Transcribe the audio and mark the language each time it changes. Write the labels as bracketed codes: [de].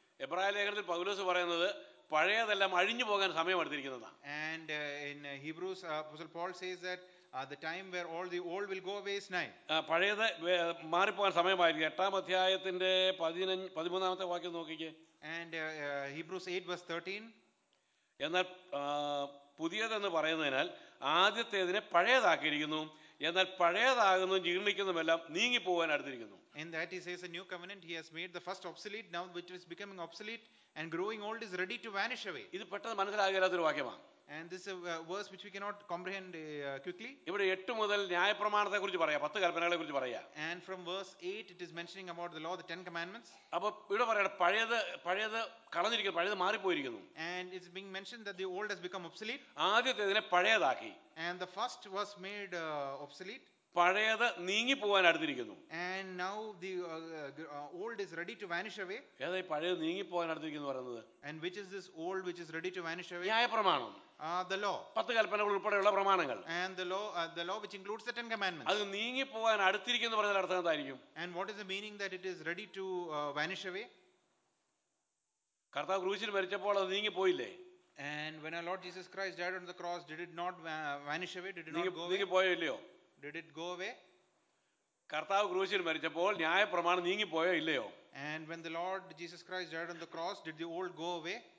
[ml] എബ്രായ ലേഖനത്തിൽ പൗലോസ് പറയുന്നത് പഴയതെല്ലാം അഴിഞ്ഞു പോകാൻ സമയം എടുത്തിരിക്കുന്നതാണ്. [en] And in Hebrews apostle Paul says that the time where all the old will go away is nigh. [ml] പഴയത് മാറി പോകാൻ സമയമായിരിക്കും. 8-ാം അധ്യായത്തിന്റെ 13-ാമത്തെ വാക്യം നോക്കിക്കെ. [en] And Hebrews 8 verse 13. [ml] എന്നാൽ പുതിയതെന്ന് പറയുന്നതിനാൽ ആദ്യത്തേതിനെ പഴയതാക്കിയിരിക്കുന്നു, എന്നാൽ പഴയതാകുന്നു ജീർണിക്കുന്നതെല്ലാം നീങ്ങി പോകാൻ അടുത്തിരിക്കുന്നു. [en] In that he says a new covenant he has made the first obsolete, now which is becoming obsolete and growing old is ready to vanish away. [ml] ഇത് പെട്ടെന്ന് മനസ്സിലാകാത്ത ഒരു വാക്യമാണ്. [en] And this is a verse which we cannot comprehend quickly. [ml] ഇവിടെ 8 മുതൽ ന്യായപ്രമാണത്തെ കുറിച്ച് പറയാ, 10 കൽപ്പനകളെ കുറിച്ച് പറയാ. [en] And from verse 8 it is mentioning about the law, the 10 commandments. [ml] അപ്പോൾ ഇവിടെ പറയാണ് പഴയത് കളഞ്ഞിരിക്കുന്നു, പഴയത് മാറി പോയിരിക്കുന്നു. [en] And it's being mentioned that the old has become obsolete. [ml] ആദ്യത്തെ ഇതിനെ പഴയതാക്കി. [en] And the first was made obsolete. [ml] പഴയത് നീങ്ങി പോകാൻ അടുത്തിരിക്കുന്നു. [en] And now the old is ready to vanish away. [ml] ഏതായി പഴയത് നീങ്ങി പോകാൻ അടുത്തിരിക്കുന്നു പറയുന്നത്? [en] And which is this old which is ready to vanish away? [ml] ന്യായപ്രമാണം. [en] The law. [ml] 10 കൽപ്പനകൾ ഉൾപ്പെടെയുള്ള പ്രമാണങ്ങൾ. [en] And the law which includes the 10 commandments. [ml] അത് നീങ്ങി പോകാൻ അടുത്തിരിക്കുന്നു പറയുന്ന അർത്ഥം എന്തായിരിക്കും? [en] And what is the meaning that it is ready to vanish away? [ml] കർത്താവ് ക്രൂശിൽ മരിച്ചപ്പോൾ അത് നീങ്ങി പോയില്ലേ? [en] And when our Lord Jesus Christ died on the cross, did it not vanish away? Did it not go away? [ml] നീങ്ങി പോയോ ഇല്ലയോ? [en] Did it go away? [ml] കർത്താവ് ക്രൂശിൽ മരിച്ചപ്പോൾ ന്യായ പ്രമാണം നീങ്ങി പോയോ ഇല്ലയോ? [en] And when the Lord Jesus Christ died on the cross, did the old go away?